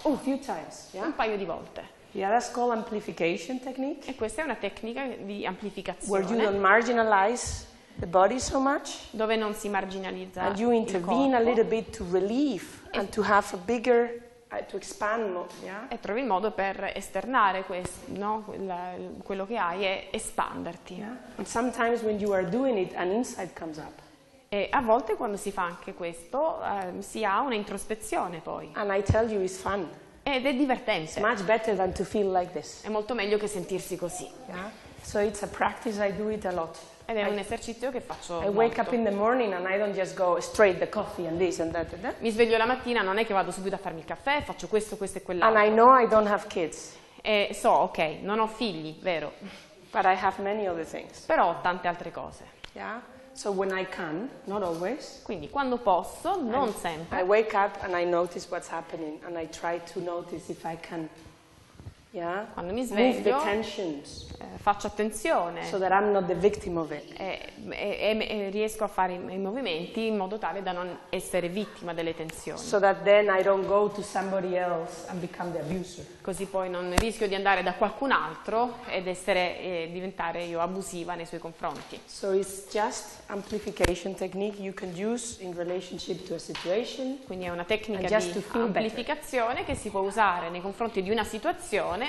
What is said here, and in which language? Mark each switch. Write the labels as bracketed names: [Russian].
[English] A few times, yeah? [Italian] Un paio di volte. [English] Yeah, that's called amplification technique. [Italian] E questa è una tecnica di amplificazione. [English] Where you don't marginalize the body so much, [Italian] dove non si marginalizza. [English] And you intervene a little bit to relieve and to have a bigger to expand more, yeah? [Italian] E trovi il modo per esternare questo, no? Quello che hai è espanderti. [English] Yeah? And sometimes when you are doing it an insight comes up. [Italian] E a volte quando si fa anche questo, si ha un'introspezione poi. [English] And I tell you it's fun. [Italian] Ed è divertente. [English] It's much better than to feel like this. [Italian] È molto meglio che sentirsi così. [English] Yeah? So it's a practice I do it a lot. [Italian] Ed è un esercizio che faccio molto. [English] I wake up in the morning and I don't just go straight the coffee and this and that. [Italian] Mi sveglio la mattina, non è che vado subito a farmi il caffè, faccio questo, questo e quell'altro. [English] And I know I don't have kids. [Italian] E so, ok, non ho figli, vero. [English] But I have many other things. [Italian] Però ho tante altre cose. [English] Yeah? So when I can, not always. [Italian] Quindi quando posso, non sempre. [English] I wake up and I notice what's happening and I try to notice if I can. Yeah. [Italian] Quando mi sveglio, [English] move the tensions, [Italian] faccio attenzione, [English] so that I'm not the victim of it. [Italian] E riesco a fare i movimenti in modo tale da non essere vittima delle tensioni. [English] So that then I don't go to somebody else and become the abuser. [Italian] Così poi non rischio di andare da qualcun altro ed essere diventare io abusiva nei suoi confronti. [English] So it's just amplification technique you can use in relationship to a situation. [Italian] Quindi è una tecnica di amplificazione [English] better. [Italian] Che si può usare nei confronti di una situazione.